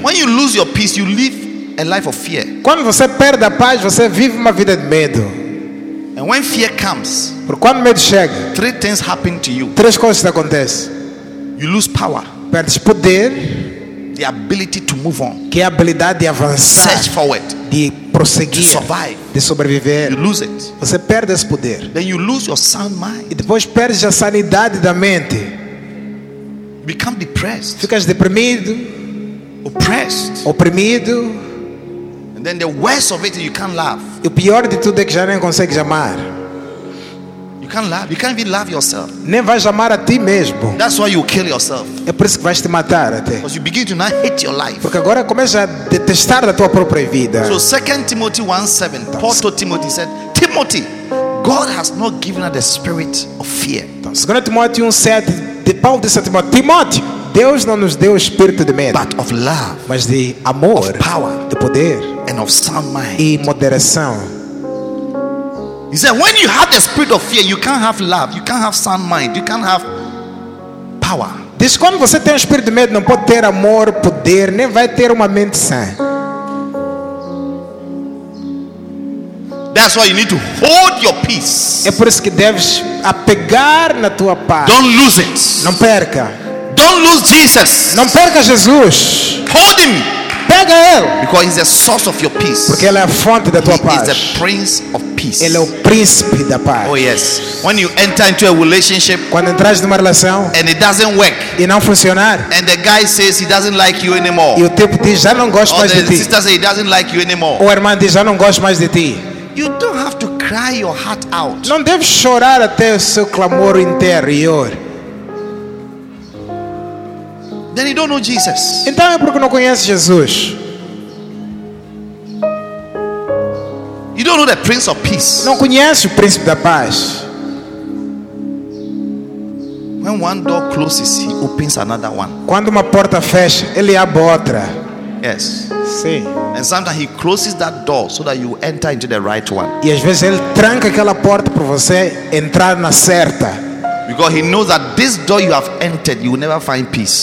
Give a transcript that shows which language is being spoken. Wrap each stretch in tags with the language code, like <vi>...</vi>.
<en>When you lose your peace, you live a life of fear.</en> <pt>Quando você perde a paz, você vive uma vida de medo.</pt> <en>And when fear comes,</en> <pt>porque quando medo chega,</pt> <en>three things happen to you.</en> <pt>Três coisas acontecem.</pt> <en>You lose power.</en> <pt>Perdes poder.</pt> <en>The ability to move on.</en> <pt>Que é a habilidade de avançar.</pt> <en>Search forward.</en> <pt>De prosseguir.</pt> <en>To survive.</en> <pt>De sobreviver.</pt> <en>You lose it.</en> <pt>Você perde esse poder.</pt> <en>Then you lose your sound mind.</en> <pt>E depois perdes a sanidade da mente.</pt> <en>Become depressed.</en> <pt>Ficas deprimido.</pt> <en>Oppressed.</en> <pt>Oprimido.</pt> <en>And then the worst of it, you can't laugh.</en> <pt>E o pior de tudo é que já nem consegues amar.</pt> <en>You can't laugh. You can't even love yourself.</en> <pt>Nem vais amar a ti mesmo.</pt> <en>That's why you kill yourself.</en> <pt>É por isso que vais te matar até.</pt> <en>Because you begin to not hate your life.</en> <pt>Porque agora começa a detestar da tua própria vida.</pt> <en>So 2 Timothy 1:7, Paul told Timothy, said, Timothy, God has not given us the spirit of fear.</en> <pt>Então, 2 Timothy 1:7, de Paulo disse a Timóteo, Timóteo, Deus não nos deu espírito de medo,</pt> <en>but of love,</en> <pt>mas de amor,</pt> <en>of power,</en> <pt>de poder,</pt> <en>and of sound mind,</en> <pt>e moderação.</pt> <en>He said, when you have the spirit of fear, you can't have love, you can't have sound mind, you can't have power.</en> <pt>Diz, quando você tem espírito de medo, não pode ter amor, poder, nem vai ter uma mente sã.</pt> <en>That's why you need to hold your peace.</en> <pt>É por isso que deves apegar na tua paz.</pt> <en>Don't lose it.</en> <pt>Não perca.</pt> <en>Don't lose Jesus.</en> <pt>Não perca Jesus.</pt> <en>Hold him.</en> <pt>Pega ele.</pt> <en>Because he's the source of your peace.</en> <pt>Porque ele é a fonte da tua paz.</pt> <en>He is the prince of peace.</en> <pt>Ele é o príncipe da paz.</pt> <en>Oh yes. When you enter into a relationship,</en> <pt>quando entras numa relação,</pt> <en>and it doesn't work,</en> <pt>e não funcionar,</pt> <en>and the guy says he doesn't like you anymore,</en> <pt>e o tipo diz já não gosto mais de ti,</pt> <en>or the sister says he doesn't like you anymore,</en> <pt>ou a irmã diz já não gosto mais de ti,</pt> <en>you don't have to cry your heart out.</en> <pt>Não deve chorar até o seu clamor interior.</pt> <en>Then you don't know Jesus.</en> <pt>Então é porque não conhece Jesus.</pt> <en>You don't know the Prince of Peace.</en> <pt>Não conhece o Príncipe da Paz.</pt> <en>When one door closes, he opens another one.</en> <pt>Quando uma porta fecha, ele abre outra.</pt> <en>Yes.</en> <pt>Sim.</pt> <en>And sometimes he closes that door so that you enter into the right one.</en> <pt>E às vezes ele tranca aquela porta para você entrar na certa.</pt> <en>Because he knows that this door you have entered, you will never find peace.</en>